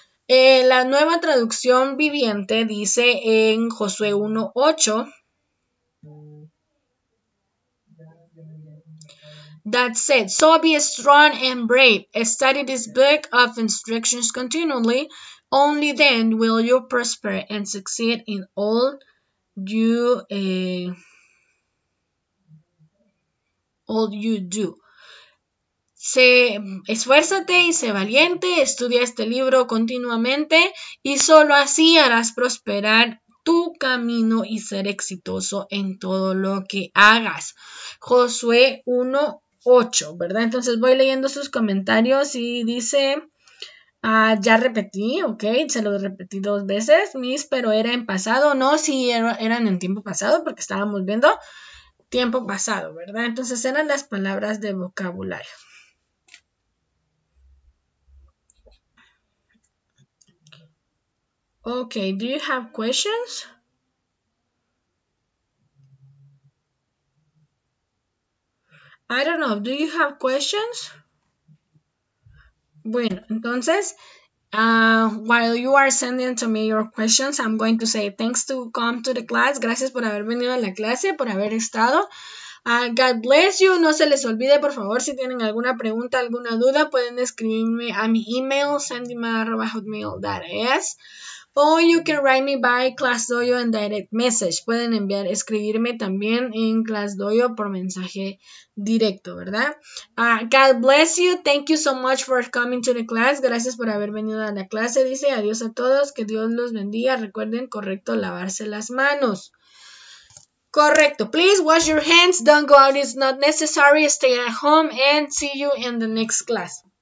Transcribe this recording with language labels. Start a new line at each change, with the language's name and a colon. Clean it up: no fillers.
Spanish: La nueva traducción viviente dice en Josué 1:8,
English: that said, so be strong and brave. Study this book of instructions continually. Only then will you prosper and succeed in all you do.
Spanish: Esfuérzate y sé valiente. Estudia este libro continuamente y solo así harás prosperar tu camino y ser exitoso en todo lo que hagas. Josué 1:8, ¿verdad? Entonces voy leyendo sus comentarios y dice, ya repetí, ok, se lo repetí dos veces, Miss, pero era en pasado, no, sí, eran en tiempo pasado, porque estábamos viendo tiempo pasado, ¿verdad? Entonces eran las palabras de vocabulario.
English: Ok, do you have questions? I don't know, do you have questions?
Spanish: Bueno, entonces,
English: While you are sending to me your questions, I'm going to say thanks to come to the class.
Spanish: Gracias por haber venido a la clase, por haber estado.
English: God bless you.
Spanish: No se les olvide, por favor, si tienen alguna pregunta, alguna duda, pueden escribirme a mi email, sandymar@hotmail.es.
English: O you can write me by ClassDojo and direct message.
Spanish: Pueden enviar, escribirme también en ClassDojo por mensaje directo, ¿verdad?
English: God bless you. Thank you so much for coming to the class.
Spanish: Gracias por haber venido a la clase. Dice adiós a todos. Que Dios los bendiga. Recuerden, correcto, lavarse las manos. Correcto.
English: Please wash your hands. Don't go out. It's not necessary. Stay at home and see you in the next class.